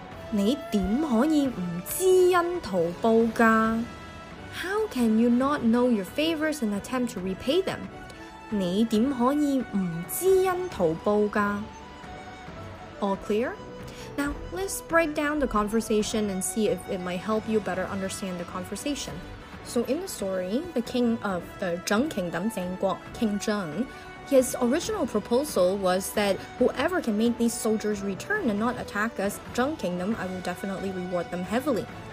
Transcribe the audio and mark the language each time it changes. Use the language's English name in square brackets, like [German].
[Cantonese] 你点可以唔知恩图报噶 [English] ？How can you not know your favors and attempt to repay them？ [Cantonese] 你点可以唔知恩图报噶 [English] ？All clear？ Now let's break down the conversation and see if it might help you better understand the conversation. So in the story, the king of the Zheng Kingdom, King Zheng, his original proposal was that whoever can make these soldiers return and not attack us, Zheng Kingdom, I will definitely reward them heavily.